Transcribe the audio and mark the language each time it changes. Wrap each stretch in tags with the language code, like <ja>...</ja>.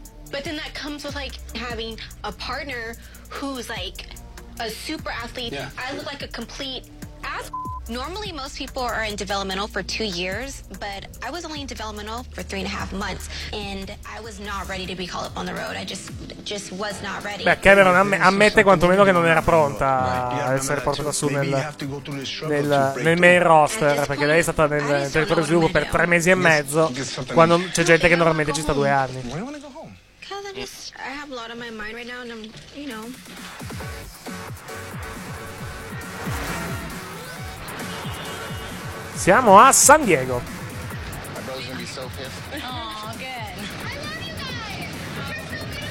<en>But then that comes with, like, having a partner who's, like, a super athlete. Yeah. I look like a complete ass. Normally, most people are in developmental for 2 years, but I was only in developmental for 3.5 months, and I was not ready to be called up on the road. I just was not ready.</en> <it>Beh, Cameron ammette quantomeno che non era pronta a essere portata su nel main roster, perché lei è stata nel territorio di sviluppo per 3 mesi e mezzo, quando c'è gente che normalmente ci sta 2 anni.</it> <en>I have a lot on my mind right now, and I'm, you know.</en> <it>Siamo a San Diego.</it> <en>My brother's gonna be so pissed. Aw, good. I love you guys. You're so beautiful.</en>